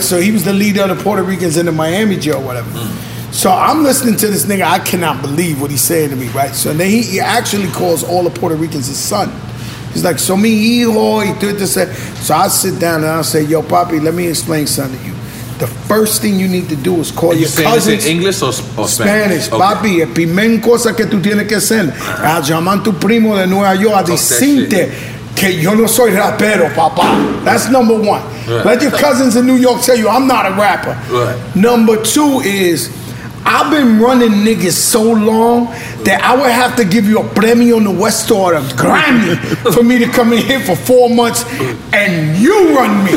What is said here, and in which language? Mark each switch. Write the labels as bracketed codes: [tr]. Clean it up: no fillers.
[en] So he was the leader of the Puerto Ricans in the Miami jail, whatever. So I'm listening to this nigga, I cannot believe what he's saying to me, right? So then he actually calls all the Puerto Ricans his son. He's like, so [es] mi hijo, [en] he threw it to say. So I sit down and I say, yo, papi, let me explain something to you. The first thing you need to do is call your cousins. You saying this in English or Spanish? Spanish. Okay. [es] Papi, el primer cosa que tú tienes que hacer, a llamar tu primo de Nueva York, a decirte que yo no soy rapero, papá. [en] That's number one. Right. Let your cousins in New York tell you, I'm not a rapper. Right. Number two is, I've been running niggas so long that I would have to give you a premio on the West or a Grammy for me to come in here for 4 months and you run me.